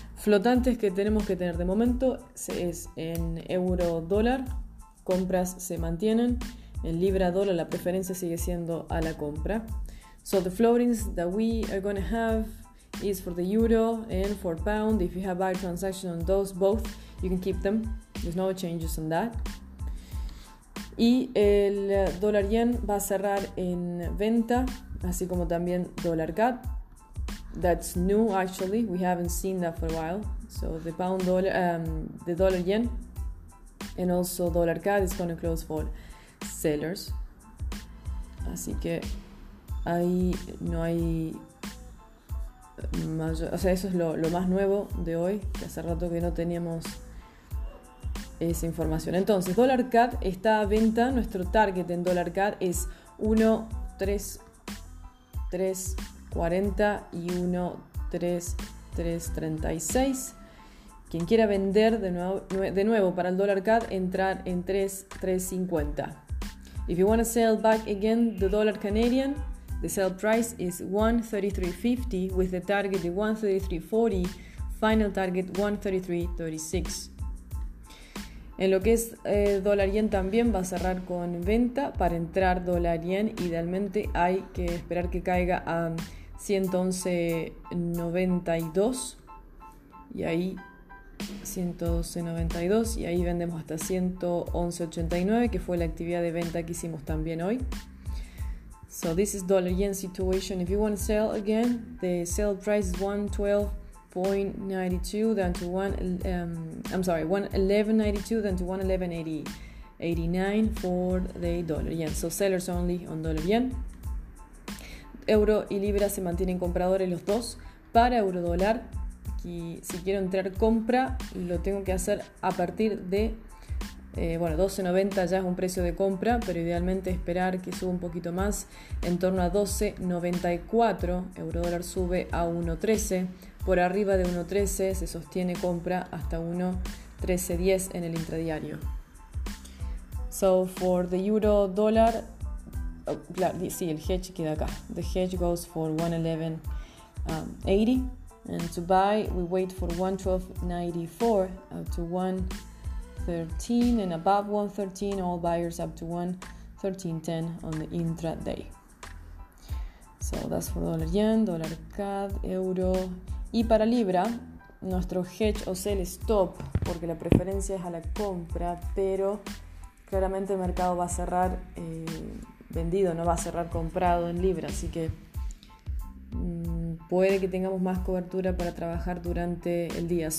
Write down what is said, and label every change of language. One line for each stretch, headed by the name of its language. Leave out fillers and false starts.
Spanish: Flotantes que tenemos que tener de momento es en euro dólar, compras se mantienen, en libra dólar la preferencia sigue siendo a la compra.
English: So the floatings that we are going to have is for the euro and for pound. If you have buy transaction on those both, you can keep them. There's no changes on that.
Spanish: Y el dólar yen va a cerrar en venta, así como también dólar CAD.
English: That's new actually. We haven't seen that for a while. So the pound dollar, the dollar yen, and also dollar CAD is going to close for sellers.
Spanish: Así que ahí no hay mayor. O sea, eso es lo más nuevo de hoy. Que hace rato que no teníamos esa información. Entonces, dólar CAD está a venta. Nuestro target en dólar CAD es 1.3340 y 1.3336. Quien quiera vender de nuevo para el dólar CAD, entrar en 3350.
English: If you want to sell back again the dollar Canadian, the sell price is 1.3350 with the target at 1.3340, final target 1.3336.
Spanish: En lo que es dólar yen también va a cerrar con venta para entrar dólar yen. Idealmente hay que esperar que caiga a 111.92 y ahí 112.92 y ahí vendemos hasta 111.89, que fue la actividad de venta que hicimos también hoy.
English: So this is dollar yen situation. If you want to sell again, the sell price is 1.1192 down to 1.1189 for the dollar yen. So sellers only on dollar yen.
Spanish: Euro y libra se mantienen compradores los dos. Para euro dólar, aquí, si quiero entrar compra, lo tengo que hacer a partir de 12.90 ya es un precio de compra, pero idealmente esperar que suba un poquito más, en torno a 12.94, euro dólar sube a 1.13, por arriba de 1.13 se sostiene compra hasta 1.1310 en el intradiario.
English: So for the euro dólar,
Spanish: el hedge queda acá,
English: the hedge goes for 1.1180, and to buy we wait for 1.1294 up to 1.13 and above 1.13, all buyers up to 1.1310 on the intraday. So that's for dollar yen, dollar CAD, euro.
Spanish: Y para libra, nuestro hedge o sell stop, porque la preferencia es a la compra, pero claramente el mercado va a cerrar vendido, no va a cerrar comprado en libra, así que puede que tengamos más cobertura para trabajar durante el día.